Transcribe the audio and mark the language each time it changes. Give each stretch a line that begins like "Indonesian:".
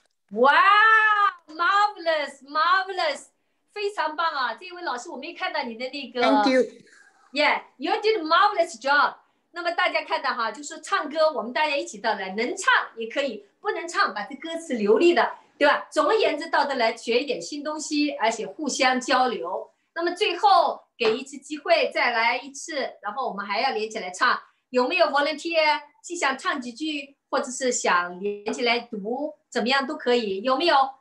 Chinese: Wow, marvelous, 非常棒啊！这位老师，我没看到你的那个。
English: Thank you. Yeah, you did a marvelous job.
Chinese: 那么大家看到哈，就是唱歌，我们大家一起到来，能唱也可以，不能唱，把这歌词流利的，对吧？总而言之，到这来学一点新东西，而且互相交流。那么最后给一次机会再来一次，然后我们还要连起来唱，有没有 volunteer 既想唱几句或者是想连起来读怎么样都可以，有没有？